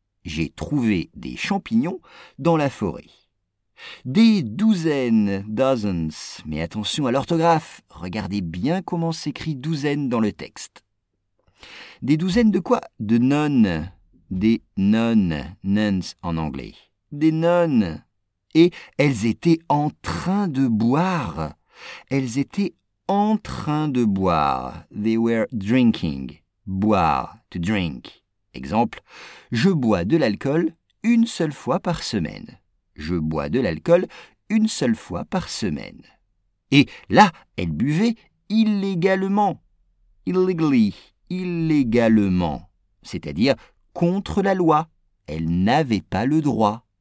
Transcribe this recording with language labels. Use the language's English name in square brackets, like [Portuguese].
[French] J'ai trouvé des champignons dans la forêt. Des douzaines, dozens, mais attention à l'orthographe, regardez bien comment s'écrit douzaine dans le texte. Des douzaines de quoi? De nonnes, des nonnes, nuns en anglais. Des nonnes, et elles étaient en train de boire. Elles étaient en train de boire. [English] They were drinking, boire, to drink. [French] Exemple, je bois de l'alcool une seule fois par semaine. Je bois de l'alcool une seule fois par semaine. Et là, elle buvait illégalement. Illegally, illégalement. C'est-à-dire contre la loi. Elle n'avait pas le droit.